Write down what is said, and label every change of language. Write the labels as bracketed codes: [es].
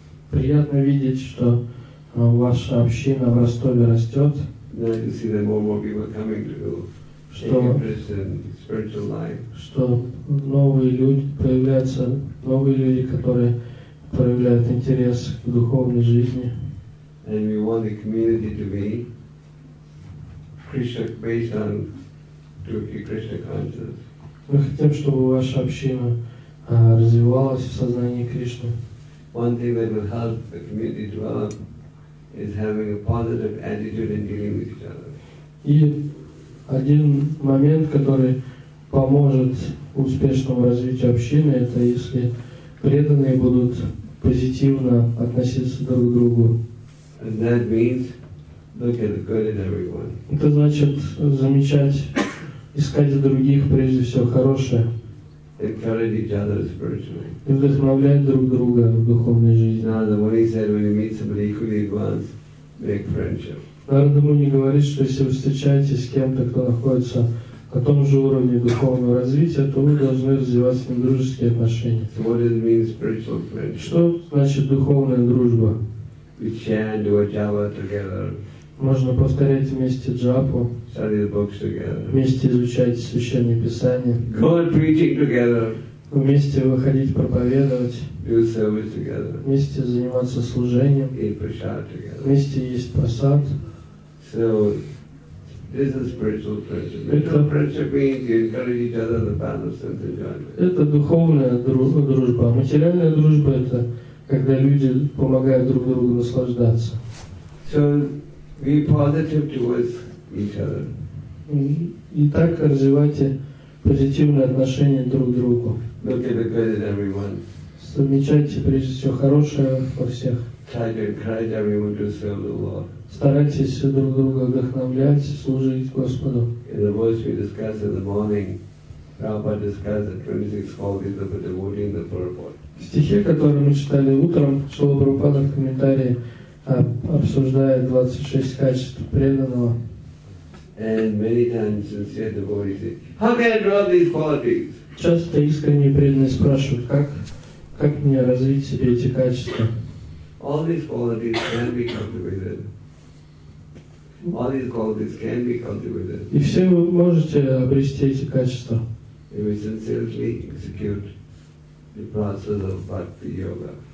[ru] Приятно видеть, что ваша община в Ростове растет, что новые люди появляются, новые люди, которые проявляют интерес к духовной жизни. [en] And we want the community to be Krishna based on true Krishna consciousness. [ru] Мы хотим, чтобы ваша община развивалась в сознании Кришны. [en] One thing that will help the community develop is having a positive attitude in dealing with each other. [ru] И один момент, который поможет успешному развитию общины, это если преданные будут позитивно относиться друг к другу. [en] And that means look at the good in everyone. [ru] Это значит замечать, искать в других прежде всего хорошее. [en] Encourage each other spiritually. [ru] И вдохновлять друг друга в духовной жизни. [en] Narada Muni said, when you meet somebody equally advanced, make friendship. [ru] Narada Muni говорит, что если вы встречаетесь с кем-то, кто находится на том же уровне духовного развития, то вы должны развивать с ним дружеские отношения. [en] So what does it mean spiritual friendship? [ru] Что значит духовная дружба? [en] We chant, do a japa together. [ru] Можно повторять вместе джапу. [en] Study the books together. [ru] Вместе изучать священные писания. [en] Go and preaching together. [ru] Вместе выходить проповедовать. [en] Do service together. [ru] Вместе заниматься служением. [en] Eat prasad together. [ru] Вместе есть просад. [en] So this is spiritual friendship. Spiritual friendship means you encourage each other in the path of sense enjoyment. [ru] Это духовная дружба. Материальная дружба – это когда люди помогают друг другу наслаждаться. [en] So be positive towards each other. [ru] И так развивайте позитивные отношения друг к другу. [en] Look at the good in everyone. [ru] Замечайте прежде всего хорошее во всех. [en] Try to encourage everyone to serve the Lord. [ru] Старайтесь друг друга вдохновлять, служить Господу. [en] In the voice we discussed in the morning, Prabhupada discussed the 26 qualities of a devotee in the purport. [ru] В стихе, который мы читали утром, Шрила Прабхупада в комментарии обсуждает 26 качеств преданного. [en] And many times sincere devotees say, how can I draw these qualities? [ru] Часто искренне преданные спрашивают, как мне развить себе эти качества. [en] All these qualities can be cultivated. All these qualities can be cultivated. [ru] И все вы можете обрести эти качества. [en] If we sincerely execute the process of bhakti yoga.